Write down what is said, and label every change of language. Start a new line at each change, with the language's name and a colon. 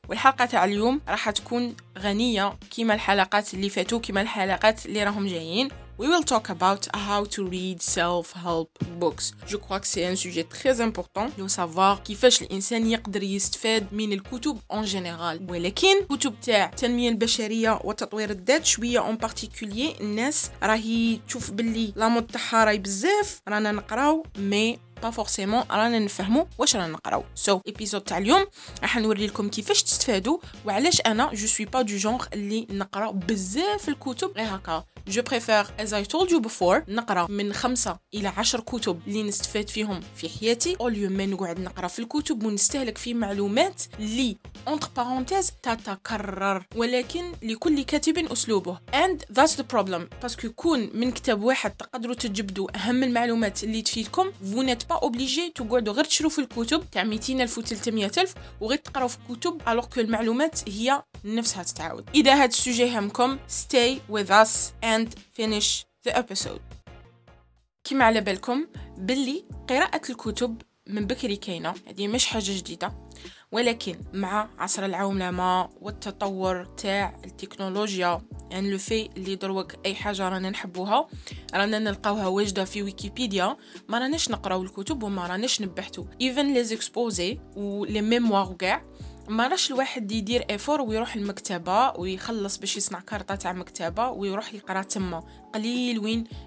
Arabic: والحلقة تاع اليوم راح تكون غنية كيما الحلقات اللي فاتوا كيما الحلقات اللي راهم جايين.
English: We will talk about how to read self-help books.
French: Je crois que c'est un sujet très important de savoir
Arabic: كيفاش الإنسان يقدر يستفاد من الكتب
French: en général.
Arabic: ولكن كتب تاع التنمية البشرية وتطوير الذات شوية
French: en particulier
Arabic: الناس راهي تشوف باللي لامود تاعها راهي بزاف رانا نقراو مي
French: pas forcément
Arabic: رانا نفهمو واش رانا نقراو. So episode تاع اليوم راح نوري لكم كيفاش تستفادوا وعلاش انا
French: je suis pas du genre
Arabic: اللي نقرا بزاف الكتب غير هكا.
French: Je préfère,
English: as I told you before,
Arabic: نقرأ من 5 إلى 10 كتب اللي نستفاد فيهم في حياتي أو اليوم ما نقعد نقرأ في الكتب ونستهلك في معلومات اللي
French: entre parenthèses
Arabic: تتكرر ولكن لكل كاتب أسلوبه.
English: And that's the problem
Arabic: باسكو يكون من كتاب واحد تقدروا تجبدوا أهم المعلومات اللي تفيدكم
French: vous n'êtes pas obligé
Arabic: تقعدوا غير تشرو في الكتب تاع 200 ألف و 300 ألف وغير تقرأوا في كتب
French: alors que
Arabic: المعلومات هي نفسها تتعاود. إذا هاد السوجي همكم
English: stay with us and finish the episode.
Arabic: كما على بالكم باللي قراءة الكتب من بكري كاينة هذه مش حاجة جديدة ولكن مع عصر العولمة والتطور تاع التكنولوجيا يعني لو في اللي دروك اي حاجة رانا نحبوها رانا نلقاوها واجدة في ويكيبيديا ما راناش نقراو الكتب وما راناش نبحثو
French: even les exposés
Arabic: و
French: les mémoires
Arabic: وكاع ما راش الواحد يدير افور ويروح المكتبة ويخلص باش يصنع كارطة تاع مكتبة ويروح يقرا تما قليل وين